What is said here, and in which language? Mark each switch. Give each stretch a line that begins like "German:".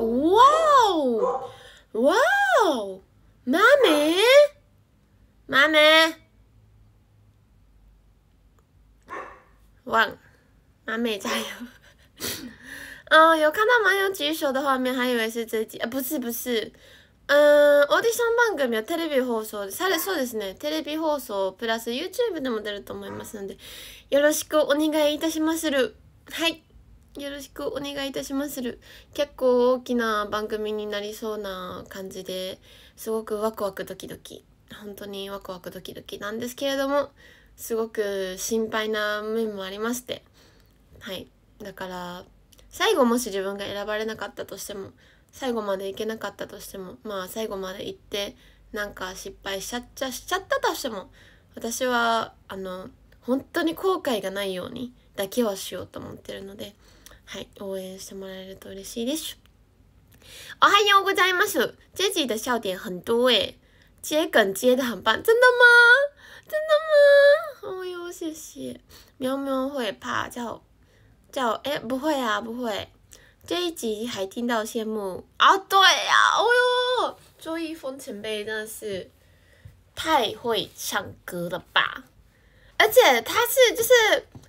Chinese: 哇哦，哇哦，妈咪，妈咪，哇，妈咪加油！有看到麻油举手的画面，还以为是这集，不是，不是。
Japanese: オーディション番組はテレビ放送されそうですね。テレビ放送プラス YouTube でも出ると思いますので、よろしくお願いいたしまする。はい、よろしくお願いいたしまする。結構大きな番組になりそうな感じで、すごくワクワクドキドキ、本当にワクワクドキドキなんですけれども、すごく心配な面もありまして、はい、だから最後もし自分が選ばれなかったとしても。最後まで行けなかったとしても、まあ最後まで行ってなんか失敗しちゃっちゃしちゃったとしても、私は本当に後悔がないようにだけはしようと思ってるので、はい、応援してもらえると嬉しいです。おはようございます。
Chinese: 这集的笑点很多耶，接梗接得很棒，真的吗？真的吗？哦哟，谢谢。喵喵会怕叫哎，不会啊，不会。这一集还听到羡慕啊，对啊，哦哟，周易峰前辈真的是太会唱歌了吧，而且他是就是